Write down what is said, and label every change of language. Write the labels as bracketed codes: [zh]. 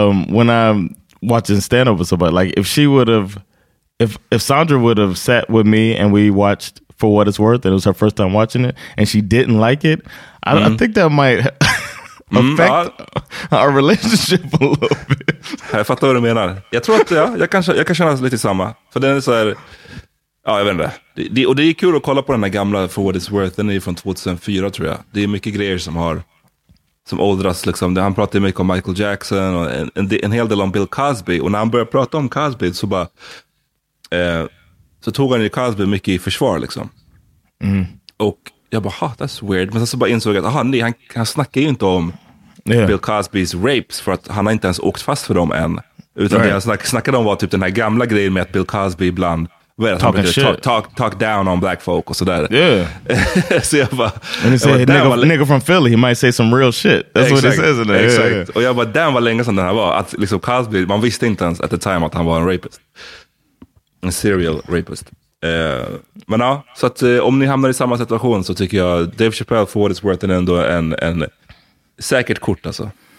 [en] When I'm watching stand up or somebody, like if Sandra would have sat with me and we watched For What It's Worth, and it was her first time watching it, and she didn't like it, I think that might affect our relationship a little bit. [sv] Jag fattar vad du menar. Jag tror att jag kan känna lite samma. För den är så här, ja, jag vet inte. Och det är kul att kolla på den här gamla For What It's Worth. Den är från 2004, tror jag. Det är mycket grejer som åldras liksom. Han pratade mycket om Michael Jackson och en hel del om Bill Cosby. Och när han började prata om Cosby så bara så tog han ju Cosby mycket i försvar liksom. Mm. Och jag bara, ha, [en] that's weird. [sv] Men sen så bara insåg att han snackar ju inte om Bill Cosbys rapes, för att han har inte ens åkt fast för dem än. Utan det han snackade om var typ den här gamla grejen med att Bill Cosby ibland [en] talk down on black folk [sv] och sådär. [en] Yeah. [sv] Så jag bara, [en] and he said, nigga from Philly, he might say some real shit. That's exactly what he says in there. Exactly. Yeah. [sv] Och jag bara, damn vad länge sedan den här var. Att liksom Cosby, man visste inte ens [en] at the time [sv] att han var en rapist. En serial rapist. Men ja, så att om ni hamnar i samma situation, så tycker jag Dave Chappelle, For What It's Worth, är ändå en säkert kort alltså.